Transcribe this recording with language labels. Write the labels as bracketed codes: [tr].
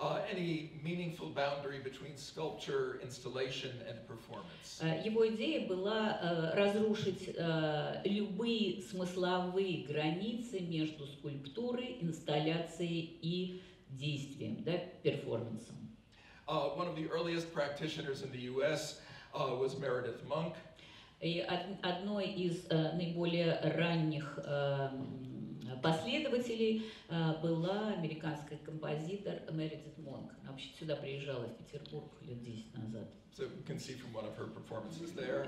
[en] any meaningful boundary between sculpture, installation, and performance. [ru] Его идея была разрушить любые смысловые границы между скульптурой, инсталляцией и действием, да, перформансом. [en] One of the earliest practitioners in the U.S. Was Meredith Monk. [ru] И одной из наиболее ранних последователей была американская композитор Мередит Монк. Она вообще сюда приезжала, в Петербург, лет 10 назад. [en] So we can see from one of her performances there.